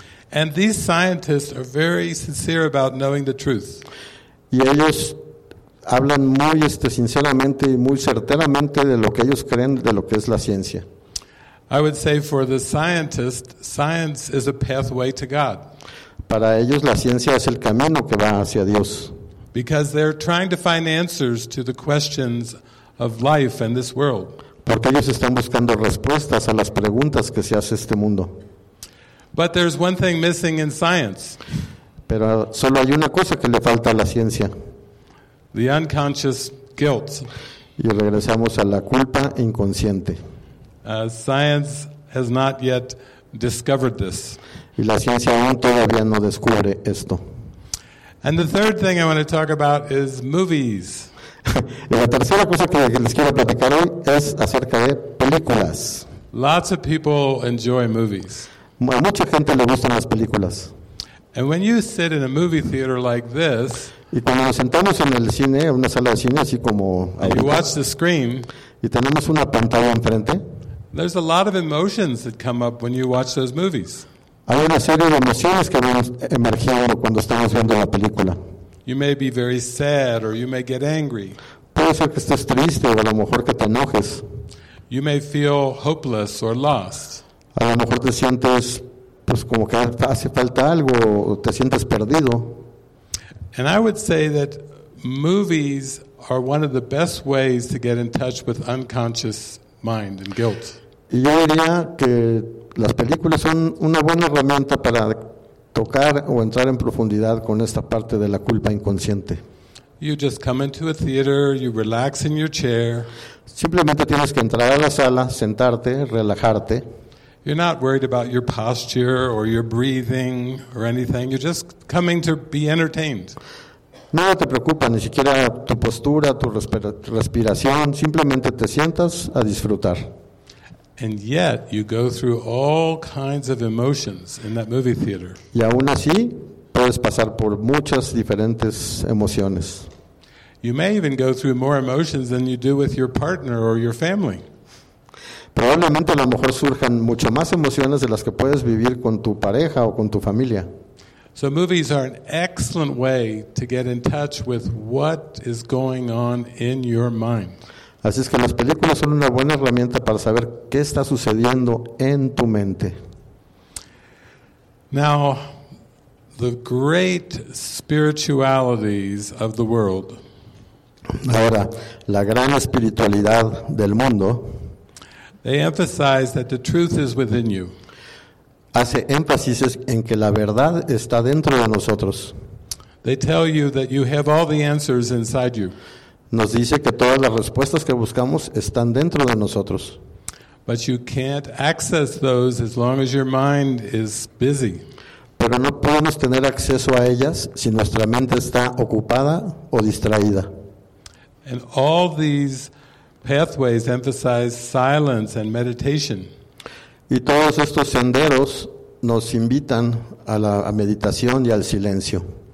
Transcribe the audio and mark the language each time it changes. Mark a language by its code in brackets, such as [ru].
[en] And these scientists are very sincere about knowing the truth. [es] Y ellos hablan muy sinceramente y muy certeramente de lo que ellos creen de lo que es la ciencia. [en] I would say for the scientist, science is a pathway to God. [es] Para ellos la ciencia es el camino que va hacia Dios. [en] Because they're trying to find answers to the questions of life and this world. [es] Porque ellos están buscando respuestas a las preguntas que se hace este mundo. [en] But there's one thing missing in science. [es] Pero solo hay una cosa que le falta a la ciencia. [en] The unconscious guilt. [es] Y regresamos a la culpa inconsciente. [en] Science has not yet discovered this. [es] Y la ciencia aún todavía no descubre esto. [en] And the third thing I want to talk about is movies. [es] Y la tercera cosa que les quiero platicar hoy es acerca de películas. [en] Lots of people enjoy movies. [es] A mucha gente le gustan las películas. [en] And when you sit in a movie theater like this, [es] y cuando nos sentamos en el cine, en una sala de cine así como ahorita, [en] and you watch the screen, [es] y tenemos una pantalla enfrente, [en] there's a lot of emotions that come up when you watch those movies. [es] Hay una serie de emociones que van emergiendo cuando estamos viendo la película. [en] You may be very sad, or you may get angry. [es] Puede ser que estés triste o a lo mejor que te enojes. [en] You may feel hopeless or lost. [es] A lo mejor te sientes pues como que hace falta algo o te sientes perdido. [en] And I would say that movies are one of the best ways to get in touch with unconscious mind and guilt. [es] Y yo diría que las películas son una buena herramienta para tocar o entrar en profundidad con esta parte de la culpa inconsciente. [en] You just come into a theater, you relax in your chair. [es] Simplemente tienes que entrar a la sala, sentarte, relajarte. [en] You're not worried about your posture or your breathing or anything. You're just coming to be entertained. [es] No te preocupa ni siquiera tu postura, tu respiración. Simplemente te sientas a disfrutar. [en] And yet you go through all kinds of emotions in that movie theater. [es] Y aún así puedes pasar por muchas diferentes emociones. [en] You may even go through more emotions than you do with your partner or your family. [es] Probablemente a lo mejor surjan mucho más emociones de las que puedes vivir con tu pareja o con tu familia. [en] So movies are an excellent way to get in touch with what is going on in your mind. [es] Así es que las películas son una buena herramienta para saber qué está sucediendo en tu mente. [en] Now, the great spiritualities of the world. [es] Ahora, la gran espiritualidad del mundo. [en] They emphasize that the truth is within you. [es] Hace énfasis en que la verdad está dentro de nosotros. [en] They tell you that you have all the answers inside you. [es] Nos dice que todas las respuestas que buscamos están dentro de nosotros. [en] But you can't access those as long as your mind is busy. [es] Pero no podemos tener acceso a ellas si nuestra mente está ocupada o distraída. [en] And all these pathways emphasize silence and meditation. [es] Y todos estos senderos nos invitan a la meditación y al silencio.